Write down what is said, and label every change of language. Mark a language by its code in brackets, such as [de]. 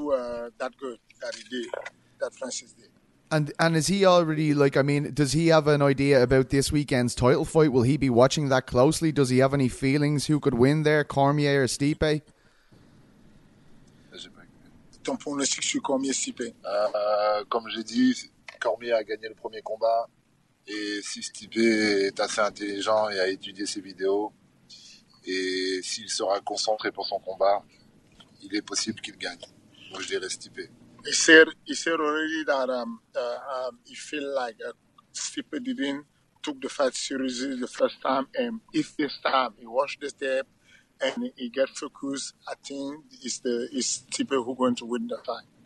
[en] I hope I will do that good, that Francis did. And is he already, like, I mean, does he have an idea about this weekend's title fight? Will he be watching that closely? Does he have any feelings who could win there, Cormier or Stipe? [fr] Ton pronostic sur Cormier Stipe. Comme j'ai dit, Cormier a gagné le premier combat. Et si Stipe est assez intelligent et a étudié ses vidéos, et s'il sera concentré pour son combat, il est possible qu'il gagne. Donc je dirais Stipe. [en] He said already that he feel like Stipe didn't took the fight seriously the first time, and if this time he watched the step. And he gets focused, I think is Stipe who going to win the fight.